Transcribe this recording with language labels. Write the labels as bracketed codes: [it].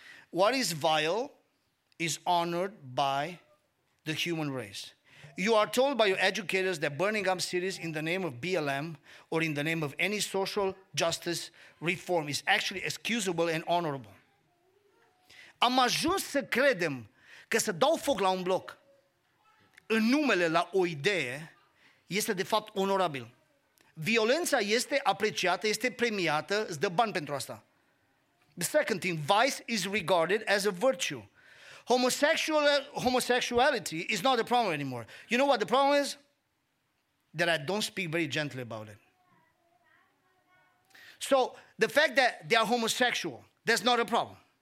[en] What is vile is honored by the human race. You are told by your educators that burning up cities in the name of BLM or in the name of any social justice reform is actually excusable and honorable. [ro] Am ajuns să credem că să dau foc la un bloc în numele la o idee este de fapt onorabil. Violența este apreciată, este premiată, îți dă bani pentru asta. [en] The second thing, vice is regarded as a virtue. Homosexuality is not a problem anymore. You know what the problem is? That I don't speak very gently about it. So the fact that they are homosexual, that's not a problem.